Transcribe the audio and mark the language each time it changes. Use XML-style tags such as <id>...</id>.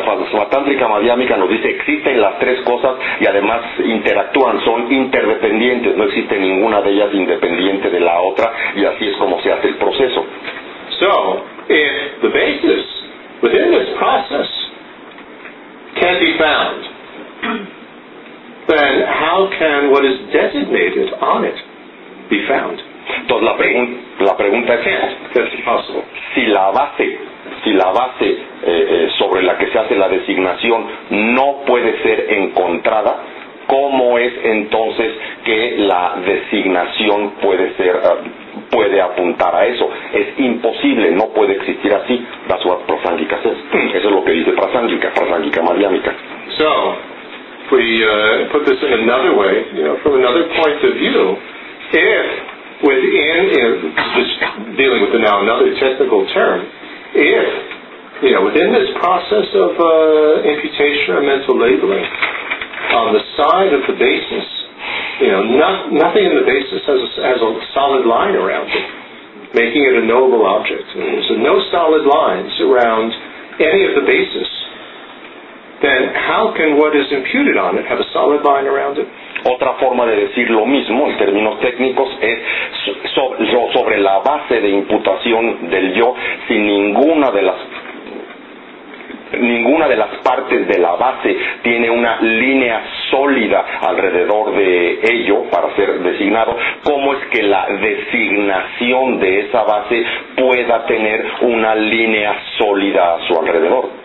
<es>Svatantrika Madhyamika nos dice existen las tres cosas y además interactúan, son interdependientes, no existe ninguna de ellas independiente de la otra, y así es como se hace el proceso.</es> <en>So, if the basis within this process can be found, then how can what is designated on it be found?</en> <es>Entonces la pregunta es,</es> <en>that's impossible.</en> <es>Si la base sobre la que se hace la designación no puede ser encontrada, ¿cómo es entonces que la designación puede apuntar a eso? Es imposible, no puede existir así.</es> <en>That's what Prasangika says.</en> <es>Eso es lo que dice Prasangika Madhyamika.</es> <en>So, we put this in another way, from another point of view. If within, just dealing with now another technical term, if within this process of imputation or mental labeling, on the side of the basis, nothing in the basis has a solid line around it, making it a knowable object. So no solid lines around any of the basis, then how can what is imputed on it have a solid line around it?</en> <es>Otra forma de decir lo mismo en términos técnicos es sobre la base de imputación del yo, sin ninguna de las partes de la base tiene una línea sólida alrededor de ello para ser designado, ¿cómo es que la designación de esa base pueda tener una línea sólida a su alrededor?</es>